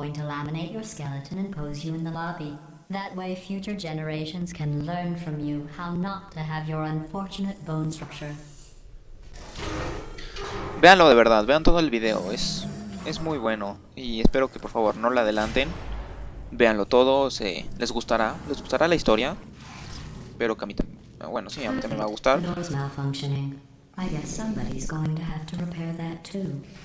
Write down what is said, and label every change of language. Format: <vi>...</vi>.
<en>That way future generations can learn from you how not to have your unfortunate bone structure.</en> <es>Véanlo de verdad, vean todo el video, es muy bueno y espero que por favor no la adelanten. Véanlo todo, se les gustará la historia. Espero que a mí también, bueno, sí, a mí también me va a gustar.</es> <en>The door's malfunctioning. I guess somebody's going to have to repair that too.</en>